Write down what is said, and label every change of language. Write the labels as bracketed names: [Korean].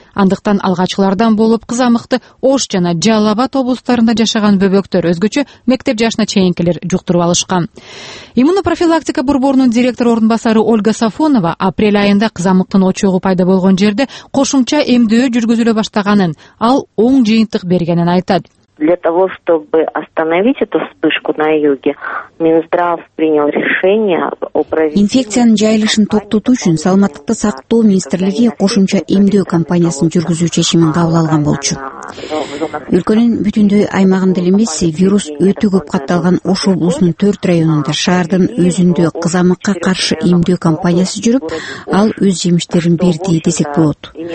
[Kyrgyz] Андыктан алгачкылардан болуп кызамыкты Ош жана Жалабат облусунда жашаган бөбөктөр, өзгөчө мектеп жашына чейинкилер жуктуруп алышкан. Иммунопрофилактика борборунун директор орун басары Ольга Сафонова апрель айында кызамыктын очогу пайда болгон жерде кошумча эмдөө жүргүзүлө баштаганын, ал оң жыйынтык бергенин айтат. [Russian] Для того, чтобы остановить эту вспышку на юге, Минздрав принял решение о проведении... [Kyrgyz] Инфекциянын жайылышын токтотуу үчүн Саламаттыкты сактоо министрлиги кошумча эмдөө кампаниясын жүргүзүү чечимин кабыл алган болчу. Өлкөнүн бүтүндөй аймагында эле эмес, вирус өтө көп катталган Ош облусунун 4 районунда шаардын өзүндө кызамыкка каршы эмдөө кампаниясы жүрүп, ал өз жемиштерин берди десек болот.